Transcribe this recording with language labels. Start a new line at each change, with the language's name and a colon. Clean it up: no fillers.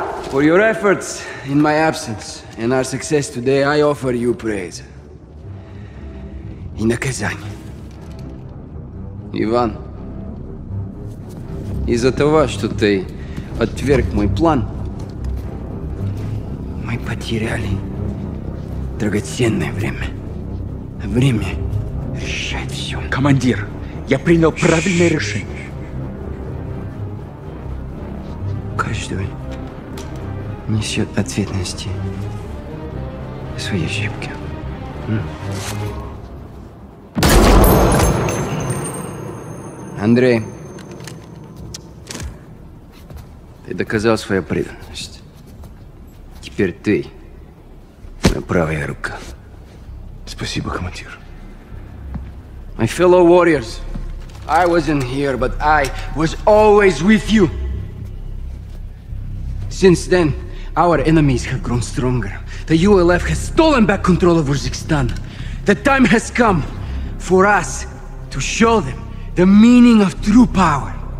English: For your efforts in my absence and our success today, I offer you praise.
Russian: И наказание. Иван, из-за того, что ты отверг мой план, мы потеряли драгоценное время. Время решает все. Командир, Я принял правильное решение. Каждый несет ответственности за свои ошибки. Андрей, ты доказал свою преданность. Теперь ты моя правая рука. Спасибо, командир.
English: My fellow warriors, I wasn't here, but I was always with you. Since then, our enemies have grown stronger. The ULF has stolen back control of Uzbekistan. The time has come for us to show them the meaning of true power.